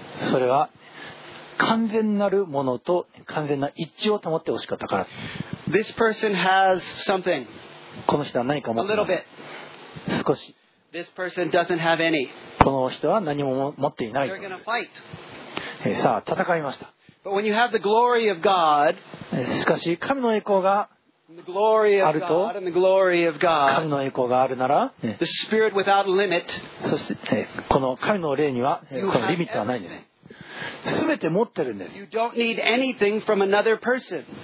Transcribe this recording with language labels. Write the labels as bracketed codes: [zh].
[ja] それは完全なるものと完全な一致を保ってほしかったから。 [en] This person has something. [ja] この人は何か持っています。少し。 [en] This person doesn't have any. [ja] この人は何も持っていない。 [en] They're gonna fight. [ja] さあ戦いました。 [en] But when you have the glory of God, [ja] しかし神の栄光があると神の栄光があるなら、 [en] the spirit without limit, [ja] そしてこの神の霊にはこのリミットはないんです。全て持ってるんです。 [en] You don't need anything from another person.